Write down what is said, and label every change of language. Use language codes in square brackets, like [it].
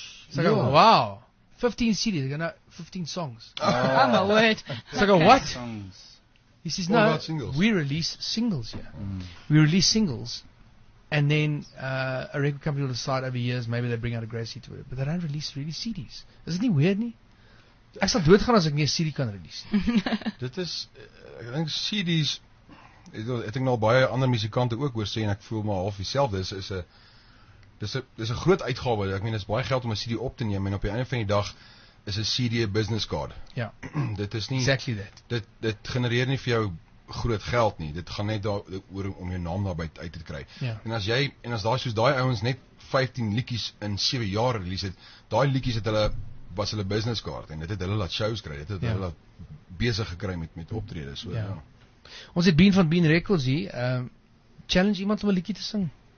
[en] So, I go, wow. 15 CDs, they're going to 15 songs. Oh, my word. So I go, what? He says, no, we release singles here. Mm. We release singles, and then a record company will decide over years, maybe they bring out a grassy to it, but they don't release really CDs. Isn't it weird, [af] nie? Ek sal doodgaan as ek nie 'n CD kan release. Dit is, ek dink CDs, ek dink nou baie ander musikante ook oor sê, en ek voel my half dieselfde, dis 'n groot uitgawe, ek meen, dis baie geld om 'n CD op te neem, en op die einde van die dag, is 'n CD 'n business card. Ja. Dit is nie [en] exactly that. [af] Dit genereer nie vir jou groot geld nie. Dit gaan net daaroor om jou naam daarby uit te kry. Ja. En as jy en as daai soos daai ouens net 15 liedjies in 7 jaar release het, daai liedjies het hulle was hulle business card en dit het hulle laat shows kry. Dit het hulle laat besig gekry met optredes so. Ja. Ons het Bean van Bean Records hier, challenge iemand om 'n liedjie te sing.